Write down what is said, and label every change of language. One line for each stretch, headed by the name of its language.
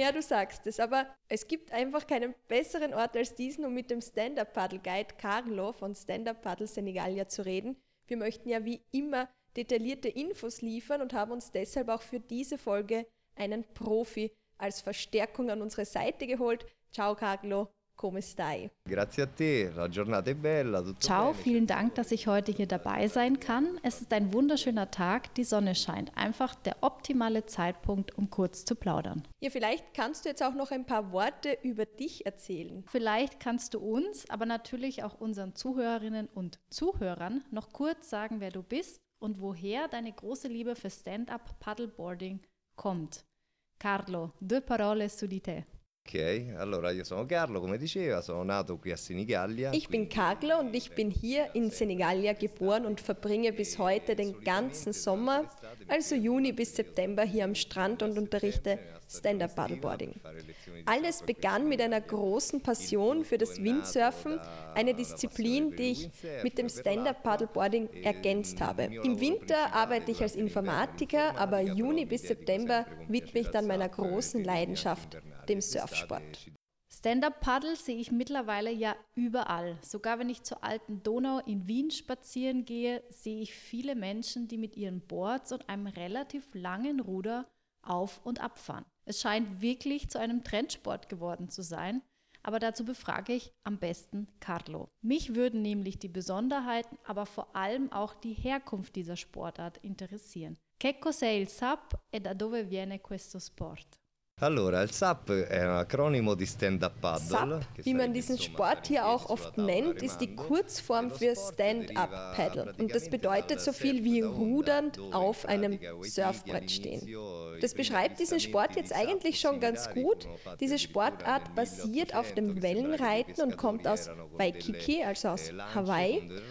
German: Ja, du sagst es, aber es gibt einfach keinen besseren Ort als diesen, um mit dem Stand-Up Paddle Guide Carlo von Stand-Up Paddle Senigallia zu reden. Wir möchten ja wie immer detaillierte Infos liefern und haben uns deshalb auch für diese Folge einen Profi als Verstärkung an unsere Seite geholt.
Italian: Ciao Carlo, come stai? Grazie a te, la giornata è bella.
German: Ciao, vielen Dank, dass ich heute hier dabei sein kann. Es ist ein wunderschöner Tag, die Sonne scheint. Einfach der optimale Zeitpunkt, um kurz zu plaudern. Ja, vielleicht kannst du jetzt auch noch ein paar Worte über dich erzählen. Vielleicht kannst du uns, aber natürlich auch unseren Zuhörerinnen und Zuhörern, noch kurz sagen, wer du bist und woher deine große Liebe für Stand-Up-Paddleboarding kommt.
Italian: Carlo, due parole su di te. Okay, allora io sono Carlo, come diceva, sono nato qui a Senigallia.
German: Ich bin Carlo und ich bin hier in Senigallia geboren und verbringe bis heute den ganzen Sommer, also Juni bis September, hier am Strand und unterrichte Stand-Up-Paddleboarding. Alles begann mit einer großen Passion für das Windsurfen, eine Disziplin, die ich mit dem Stand-Up-Paddleboarding ergänzt habe. Im Winter arbeite ich als Informatiker, aber Juni bis September widme ich dann meiner großen Leidenschaft, dem Surfsport. Stand-Up-Paddle sehe ich mittlerweile ja überall. Sogar wenn ich zur Alten Donau in Wien spazieren gehe, sehe ich viele Menschen, die mit ihren Boards und einem relativ langen Ruder auf- und abfahren. Es scheint wirklich zu einem Trendsport geworden zu sein, aber dazu befrage ich am besten Carlo. Mich würden nämlich die Besonderheiten, aber vor allem auch die Herkunft dieser Sportart interessieren.
Italian: Che cos'è il SUP e da dove viene questo sport? Allora, il SUP è un acronimo di stand-up paddle.
German: SUP, wie man diesen Sport hier auch oft nennt, ist die Kurzform für Stand-up Paddle. Und das bedeutet so viel wie rudernd auf einem Surfbrett stehen. Das beschreibt diesen Sport jetzt eigentlich schon ganz gut. Diese Sportart basiert auf dem Wellenreiten und kommt aus Waikiki, also aus Hawaii.